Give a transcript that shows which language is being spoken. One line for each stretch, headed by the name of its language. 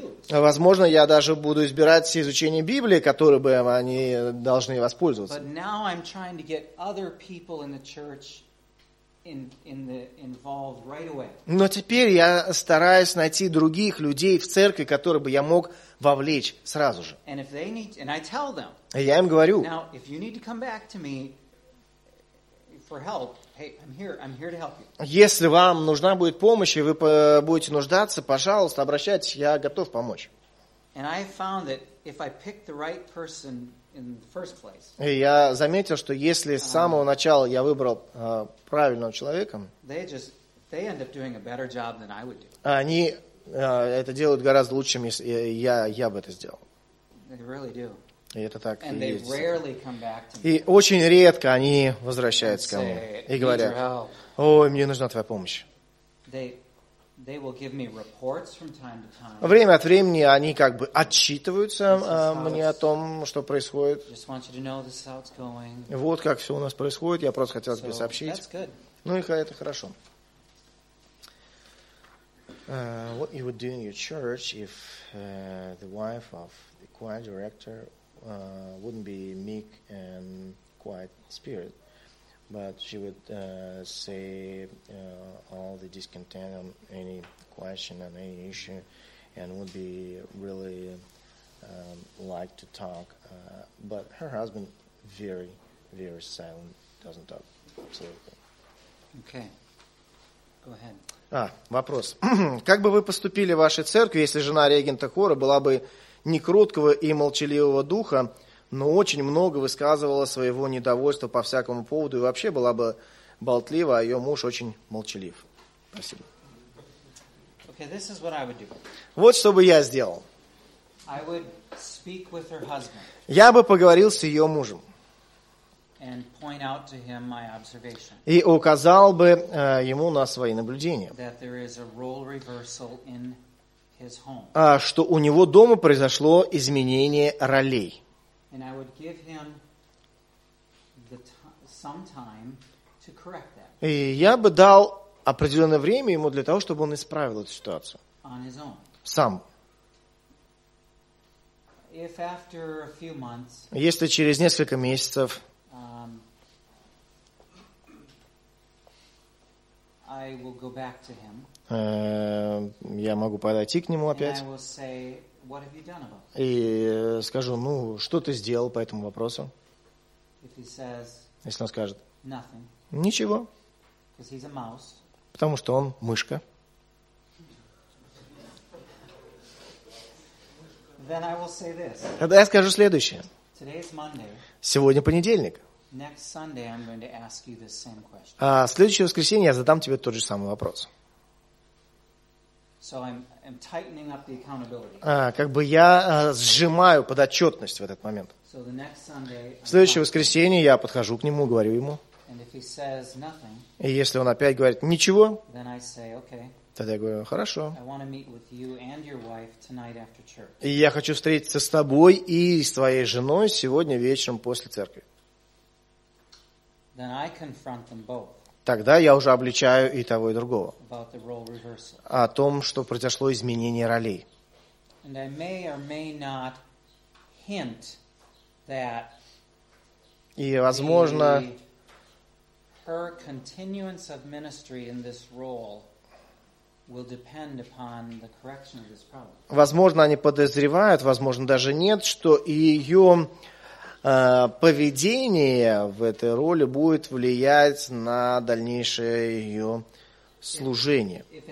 Russian: Возможно, я даже буду избирать все изучения Библии, которые бы они должны воспользоваться.
English: But now I'm trying to get other people in the church involved right away.
Russian: Но теперь я стараюсь найти других людей в церкви, которые бы я мог вовлечь сразу же.
English: And if they need, and I tell them.
Russian: И я им говорю.
English: Now, if you need to come back to me for help. Hey, I'm here to help you.
Russian: Если вам нужна будет помощь, и вы будете нуждаться, пожалуйста, обращайтесь, я готов помочь.
English: And I found that if I pick the right person in the first place.
Russian: И я заметил, что если с самого начала я выбрал правильного человека,
English: they end up doing a better job than I would do.
Russian: Они это делают гораздо лучше, если я бы это сделал.
English: They really do.
Russian: И это так
English: and
Russian: и
English: they rarely come back to me.
Russian: И очень редко они возвращаются ко мне и говорят: ой, мне нужна твоя помощь.
English: They will give me reports from time to time.
Russian: Время от времени они как бы отчитываются мне о том, что происходит.
English: Just want you to know this is how it's going.
Russian: Вот как все у нас происходит, я просто хотел тебе сообщить.
English: That's good.
Russian: Ну и это хорошо.
English: What you would do in your church if the wife of the choir director wouldn't be meek and quiet spirit, but she would say all the discontent on any question and any issue, and would be really like to talk, but her husband very, very silent, doesn't talk absolutely. Okay, go ahead.
Russian: Вопрос. Как бы вы поступили в вашей церкви, если жена регента хора была бы не кроткого и молчаливого духа, но очень много высказывала своего недовольства по всякому поводу и вообще была бы болтлива, а ее муж очень молчалив? Спасибо.
English: Okay, this is what I would do.
Russian: Вот что бы я сделал.
English: I would speak with her husband.
Russian: Я бы поговорил с ее мужем.
English: And point out to him my observation.
Russian: И указал бы ему на свои наблюдения.
English: That there is a role reversal in his home.
Russian: Что у него дома произошло изменение ролей.
English: And I would give him some time to correct that.
Russian: И я бы дал определенное время ему для того, чтобы он исправил эту ситуацию.
English: On his own.
Russian: Сам.
English: If after a few months,
Russian: если через несколько месяцев
English: I will go back to him.
Russian: Я могу подойти к нему опять.
English: And I will say, what have you done about it?
Russian: И скажу: ну, что ты сделал по этому вопросу?
English: If he says,
Russian: если он скажет:
English: nothing.
Russian: Ничего.
English: Because he's a mouse.
Russian: Потому что он мышка.
English: Then I will say this.
Russian: Тогда я скажу следующее.
English: Today is Monday.
Russian: Сегодня понедельник.
English: Next Sunday I'm going to ask you the same question.
Russian: Следующее воскресенье я задам тебе тот же самый вопрос.
English: So I'm tightening up the accountability.
Russian: Как бы я сжимаю подотчетность в этот момент.
English: So the next Sunday,
Russian: следующее воскресенье я подхожу к нему, говорю ему.
English: And if he says nothing,
Russian: и если он опять говорит ничего,
English: then I say, okay.
Russian: Тогда я говорю: хорошо.
English: I want to meet with you and your wife tonight after church.
Russian: И я хочу встретиться с тобой и с твоей женой сегодня вечером после церкви.
English: Then I confront them both.
Russian: Тогда я уже обличаю и того, и другого о том, что произошло изменение ролей.
English: And I may or may not hint that
Russian: и, возможно,
English: her continuance of ministry in this role will depend upon the correction of this problem.
Russian: Возможно, они подозревают, возможно, даже нет, что ее поведение в этой роли будет влиять на дальнейшее ее служение.